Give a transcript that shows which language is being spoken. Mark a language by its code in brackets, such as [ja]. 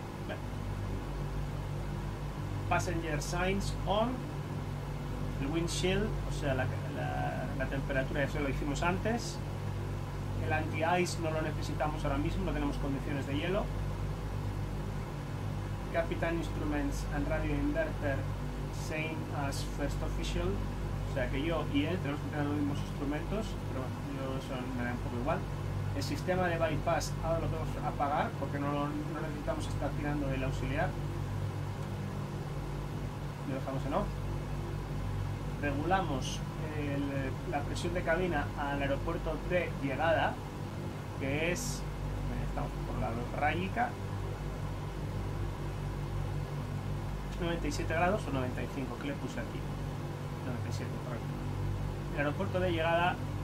[es] Bien. [en] Passenger signs on. [es] El windshield, o sea, la temperatura, eso lo hicimos antes. El anti-ice no lo necesitamos ahora mismo, no tenemos condiciones de hielo. [en] Captain instruments and radio inverter, same as first official. [es] O sea que yo y él tenemos que tener los mismos instrumentos, pero yo eso me da un poco igual. El sistema de bypass ahora lo podemos apagar porque no necesitamos estar tirando el auxiliar. Lo dejamos en off. Regulamos la presión de cabina al aeropuerto de llegada, que es, estamos por la rayica, 97 grados o 95, que le puse aquí. 97, correcto. El aeropuerto de llegada